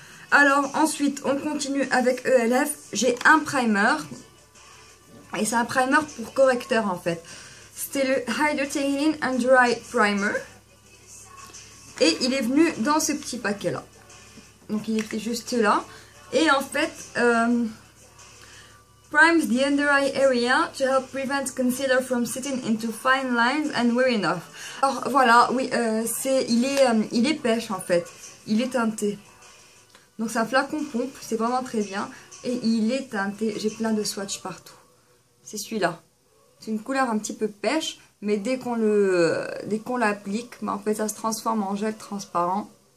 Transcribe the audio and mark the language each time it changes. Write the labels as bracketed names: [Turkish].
[French] Alors, ensuite, on continue avec ELF. J'ai un primer. Et c'est un primer pour correcteur en fait. C'était le Hydrating and Dry Primer. Et il est venu dans ce petit paquet là. Donc il était juste là. Et en fait, [English] primes the under eye area to help prevent concealer from sitting into fine lines and wearing off. [French] Alors voilà, oui, il est pêche en fait. Il est teinté. Donc c'est un flacon pompe, c'est vraiment très bien. Et il est teinté, j'ai plein de swatchs partout. C'est celui-là. C'est une couleur un petit peu pêche, mais dès qu'on l'applique, bah, en fait ça se transforme en gel transparent.